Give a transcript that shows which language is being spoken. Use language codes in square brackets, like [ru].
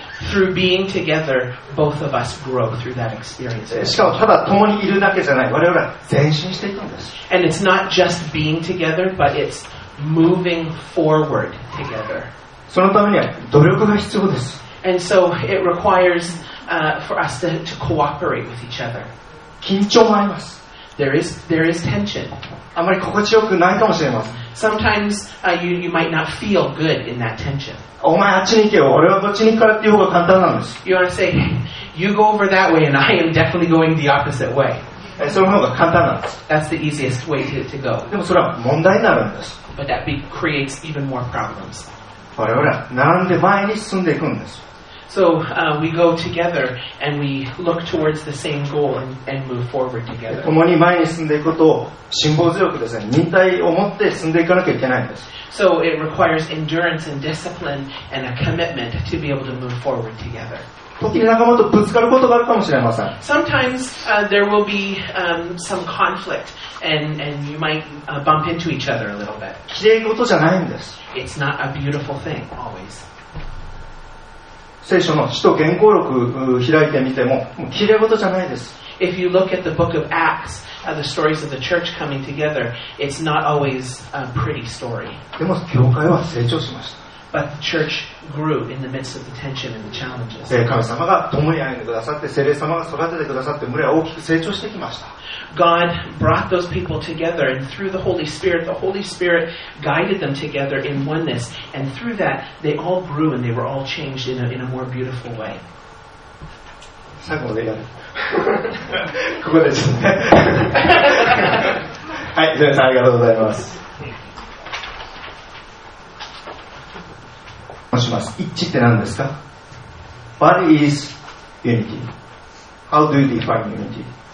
[en] Through being together, both of us grow through that experience. And it's not just being together, but it's moving forward together. [ja] そのためには努力が必要です。 [en] And so it requires for us to cooperate with each other. [ja] 緊張もあります。 [en] There is tension. [ja] あまり心地よくないかもしれません。 Sometimes you might not feel good in that tension. お前あっちに行けよ。俺はこっちに行くからっていう方が簡単なんです。 [en] You want to say, you go over that way and I am definitely going the opposite way. [ja] その方が簡単なんです。 [en] That's the easiest way to go. [ja] でもそれは問題になるんです。 [en] But that creates even more problems. [ja] 我々は並んで前に進んでいくんです。 [en] So, we go together and we look towards the same goal and move forward together. [ja] 共に前に進んでいくことを辛抱強くですね、忍耐を持って進んでいかなきゃいけないんです。 [en] So, it requires endurance and discipline and a commitment to be able to move forward together. [ja] 時に仲間とぶつかることがあるかもしれません。 [en] Sometimes, there will be, some conflict and you might, bump into each other a little bit. [ja] 綺麗事じゃないんです。 [en] It's not a beautiful thing, always. [ja] 聖書の使徒言行録を開いてみても、もう綺麗事じゃないです。 [en] If you look at the book of Acts, the stories of the church coming together, it's not always a pretty story. [ja] でも教会は成長しました。 [en] But the church grew in the midst of the tension and the challenges. [ja] 神様が共に歩んでくださって、聖霊様が育ててくださって、群れは大きく成長してきました。 [en] God brought those people together, and through the Holy Spirit guided them together in oneness. And through that, they all grew and they were all changed in a more beautiful way. [ja] 最後までやる。ここですね。はい、皆さんありがとうございます。します。一致って何ですか ？ [en] What is unity? How do you define unity?